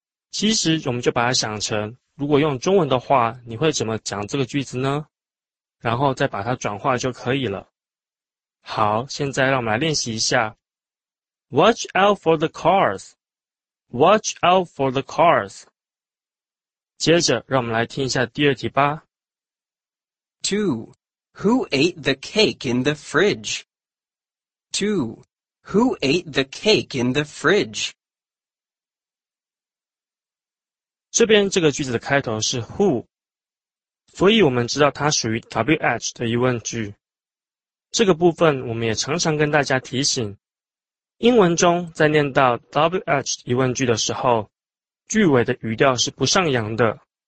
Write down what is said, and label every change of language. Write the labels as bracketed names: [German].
[Chinese] 其实我们就把它想成，如果用中文的话，你会怎么讲这个句子呢？然后再把它转化就可以了。好，现在让我们来练习一下。 [English] Watch out for the cars. Watch out for the cars. [Chinese] 接着，让我们来听一下第二题吧。 [English] Two, who ate the cake in the fridge? Two, who ate the cake in the fridge? [Chinese] 这边这个句子的开头是 who，所以我们知道它属于 WH 的疑问句。这个部分我们也常常跟大家提醒。英文中在念到 WH 疑问句的时候，句尾的语调是不上扬的。